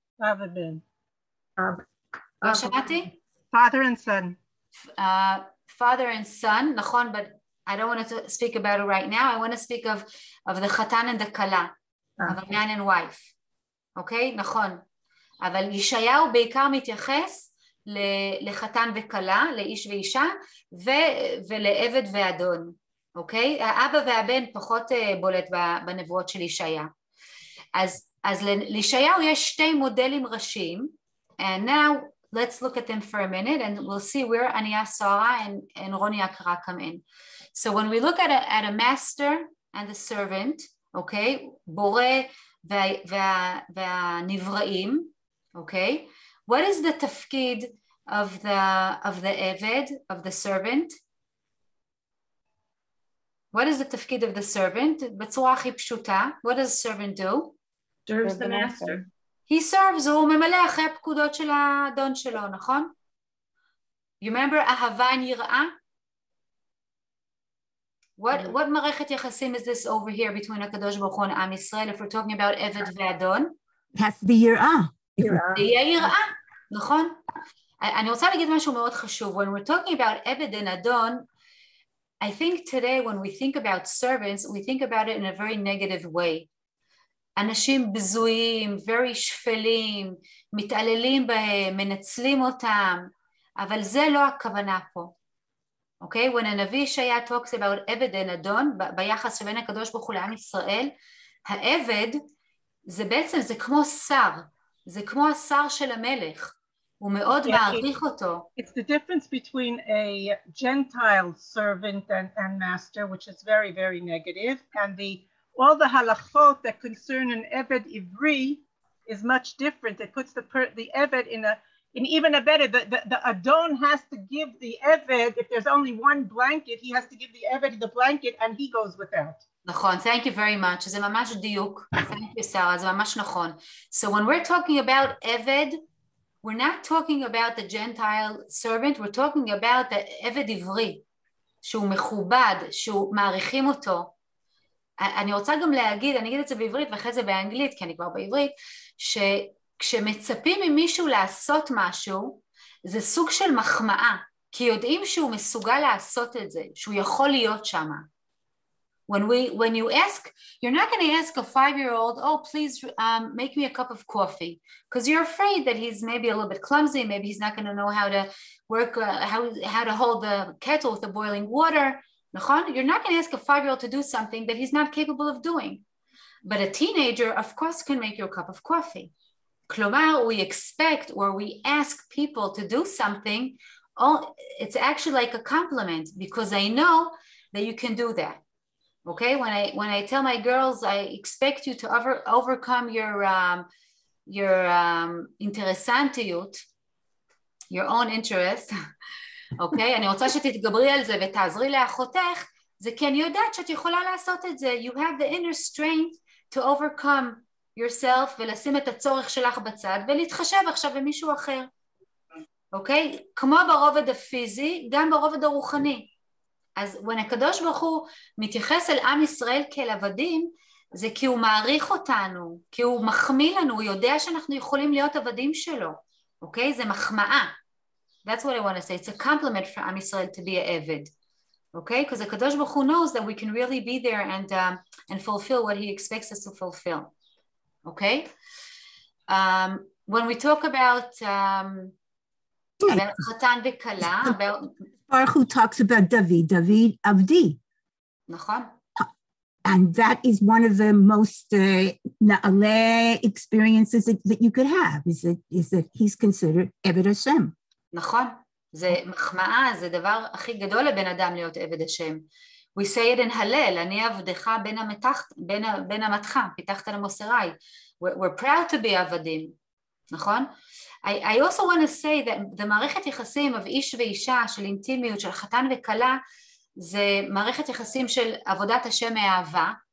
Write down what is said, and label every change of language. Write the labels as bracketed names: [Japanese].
[English] Avadin. Shemati? Father and son. Father and son, נכון, but I don't want to speak about it right now. I want to speak of the Chatan and the Kala, of a man and wife. אוקיי, נכון. [Hebrew] אבל ישעיהו בעיקר מתייחס לחתן וכלה, לאיש ואישה, ולעבד ואדון, אוקיי? האבא והבן פחות בולט בנבואות של ישעיה. אז לישעיהו יש שתי מודלים ראשיים, [English] and now let's look at them for a minute, and we'll see where Ania Sara and Ronia Kara come in. So when we look at a master and a servant, okay, Bore ve'nivraim, okay, what is the tafkid of the Eved, of the servant? What is the tafkid of the servant? [Hebrew] Betzura hachi pshuta, [English] what does the servant do? Serves the master. He serves, [Hebrew] הוא ממלא אחרי הפקודות של האדון שלו, נכון? [English] You remember אהבה נראה? What מערכת יחסים is this over here between [Hebrew] הקדוש ברוך הוא ועם ישראל, [English] if we're talking about [Hebrew] עבד ואדון? [English] That's the יראה. [Hebrew] יהיה יראה, נכון? אני רוצה להגיד משהו מאוד חשוב. [English] When we're talking about עבד and אדון, I think today when we think about servants, we think about it in a very negative way. [Hebrew] אנשים בזויים, very שפלים, מתעללים בהם, מנצלים אותם, אבל זה לא הכוונה פה. אוקיי? When הנביא ישעיה talks about עבד and אדון, ביחס שבין הקדוש ברוך הוא לעם ישראל, העבד זה בעצם, זה כמו שר, זה כמו השר של המלך, הוא מאוד מעריך אותו. [English] It's the difference between a Gentile servant and master, which is very, very negative, and the all the halachot that concern an eved ivri is much different. It puts the eved in even a better, the adon has to give the eved, if there's only one blanket, he has to give the eved the blanket and he goes without. [Hebrew] נכון, [English] thank you very much. [Hebrew] זה ממש דיוק. [English] Thank you, Sarah. [Hebrew] זה ממש נכון. [English] So when we're talking about eved, we're not talking about the Gentile servant, we're talking about the eved ivri, [Hebrew] שהוא מכובד, שהוא מעריכים אותו. אני רוצה גם להגיד, אני אגיד את זה בעברית ואחרי זה באנגלית, כי אני כבר בעברית, שכשמצפים ממישהו לעשות משהו, זה סוג של מחמאה, כי יודעים שהוא מסוגל לעשות את זה, שהוא יכול להיות שם. [English] When you ask, you're not going to ask a five-year-old, oh, please make me a cup of coffee, because you're afraid that he's maybe a little bit clumsy, maybe he's not going to know how to work, how to hold the kettle with the boiling water. נכון? You're not going to ask a five-year-old to do something that he's not capable of doing. But a teenager, of course, can make you a cup of coffee. כלומר, we expect or we ask people to do something, it's actually like a compliment because I know that you can do that. Okay? When I tell my girls, I expect you to overcome your interessantiות, your own interest, [Hebrew] אוקיי, אני רוצה שתתגברי על זה ותעזרי לאחותך, זה כי אני יודעת שאת יכולה לעשות את זה. [English] You have the inner strength to overcome yourself [Hebrew] ולשים את הצורך שלך בצד ולהתחשב עכשיו במישהו אחר. אוקיי? כמו ברובד הפיזי, גם ברובד הרוחני. אז when הקדוש ברוך הוא מתייחס אל עם ישראל כאל עבדים, זה כי הוא מעריך אותנו, כי הוא מחמיא לנו, הוא יודע שאנחנו יכולים להיות עבדים שלו. אוקיי? זה מחמאה. [English] That's what I want to say. It's a compliment for Am Yisrael to be an Eved. Okay? Because the Kadosh Baruch Hu knows that we can really be there and fulfill what he expects us to fulfill. Okay? When we talk about Chatan Vekala, about... Baruch Hu talks about David. David Avdi. [Hebrew] נכון. [English] And that is one of the most na'ale experiences that you could have, is that he's considered Eved Hashem. [Hebrew] נכון, זה מחמאה, זה דבר הכי גדול לבן אדם להיות עבד השם. We say it in הלל, אני עבדך בין המתך, פיתחת למוסריי. [English] We're proud to be [Hebrew] עבדים, נכון? [English] I also want to say that the [Hebrew] מערכת יחסים of איש ואישה, של אינטימיות, של חתן וכלה, זה מערכת יחסים של עבודת השם מאהבה.